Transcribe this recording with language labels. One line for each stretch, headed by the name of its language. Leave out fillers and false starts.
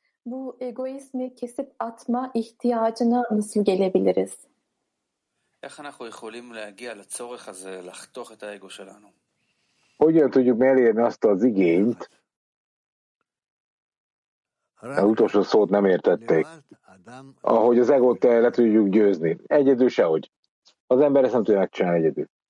Turkish: Bu egoizmi kesip atma ihtiyacına nasıl gelebiliriz?
Hebrew: איך אנחנו יכולים להגיע לצורך הזה לחתוך את האגו שלנו?
Hungarian: Hogyan tudjuk megérni azt az igényt? Az utolsó szót nem értették. Ahogy az egót le tudjuk győzni. Egyedül sehogy. Az ember ezt nem tudja megcsinálni egyedül.